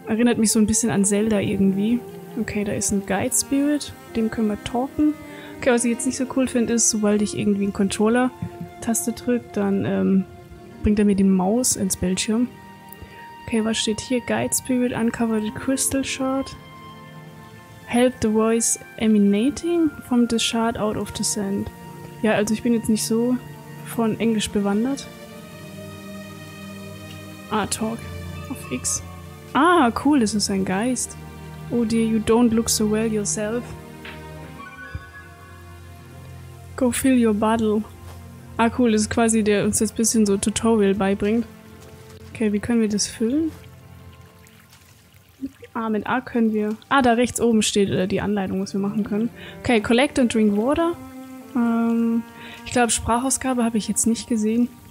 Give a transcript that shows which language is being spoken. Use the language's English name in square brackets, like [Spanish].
[German] Erinnert mich so ein bisschen an Zelda irgendwie. Okay, da ist ein Guide-Spirit. Dem können wir talken. Okay, was ich jetzt nicht so cool finde, ist, sobald ich irgendwie einen Controller-Taste drücke, dann bringt er mir die Maus ins Bildschirm. Okay, was steht hier? [English] Guide Spirit Uncovered Crystal Shard. Help the voice emanating from the shard out of the sand. [German] Ja, also ich bin jetzt nicht so von Englisch bewandert. Ah, talk. Auf X. Ah, cool, das ist ein Geist. [English] Oh dear, you don't look so well yourself. Go fill your bottle. [German] Ah, cool, das ist quasi, der uns jetzt ein bisschen so Tutorial beibringt. Okay, wie können wir das füllen? Ah, mit A können wir... Ah, da rechts oben steht die Anleitung, was wir machen können. Okay, [English] collect and drink water. [German] Ich glaube, Sprachausgabe habe ich jetzt nicht gesehen.